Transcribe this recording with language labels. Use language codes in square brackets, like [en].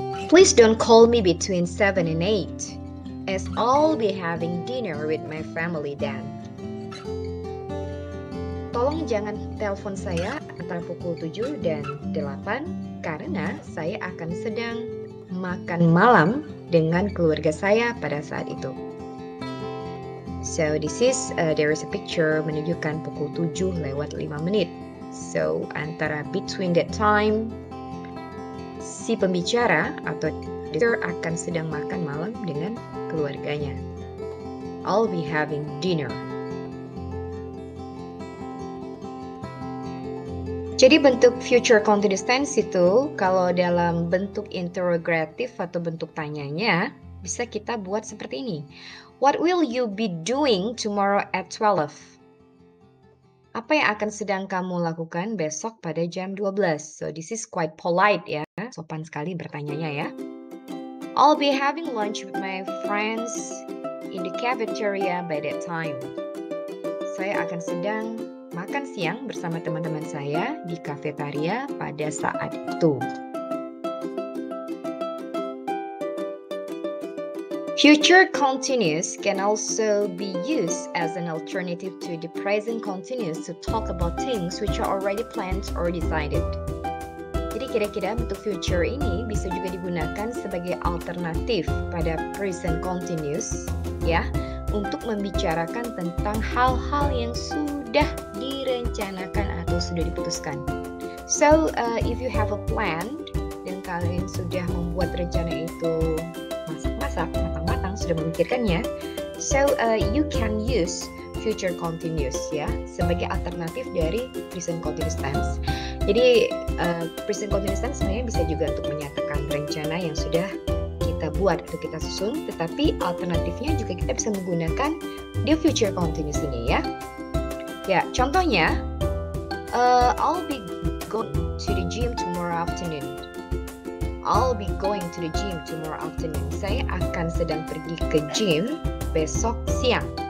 [en] Please don't call me between 7 and 8, as I'll be having dinner with my family then. [id] Tolong jangan telepon saya antara pukul 7 dan 8, karena saya akan sedang makan malam dengan keluarga saya pada saat itu. [en] So this is there is a picture [id] menunjukkan pukul 7 lewat 5 menit. So antara [en] between that time, [id] si pembicara atau dia akan sedang makan malam dengan keluarganya. [en] I'll be having dinner. [id] Jadi bentuk future continuous tense itu kalau dalam bentuk interrogatif atau bentuk tanyanya bisa kita buat seperti ini. [en] What will you be doing tomorrow at 12? [id] Apa yang akan sedang kamu lakukan besok pada jam 12? [en] So, this is quite polite ya. [id] Sopan sekali bertanyanya ya. [en] I'll be having lunch with my friends in the cafeteria by that time. [id] Saya akan sedang makan siang bersama teman-teman saya di kafetaria pada saat itu. [en] Future continuous can also be used as an alternative to the present continuous to talk about things which are already planned or decided. [id] Jadi kira-kira bentuk future ini bisa juga digunakan sebagai alternatif pada present continuous ya, untuk membicarakan tentang hal-hal yang sudah direncanakan atau sudah diputuskan. [en] So, if you have a plan [id] dan kalian sudah membuat rencana itu masak-masak, matang-matang, sudah memikirkannya, [en] so you can use future continuous [id] ya sebagai alternatif dari present continuous tense. Jadi present continuous tense sebenarnya bisa juga untuk menyatakan rencana yang sudah kita buat atau kita susun, tetapi alternatifnya juga kita bisa menggunakan the future continuous ini ya. Ya, contohnya, [en] I'll be going to the gym tomorrow afternoon. I'll be going to the gym tomorrow afternoon. [id] Saya akan sedang pergi ke gym besok siang.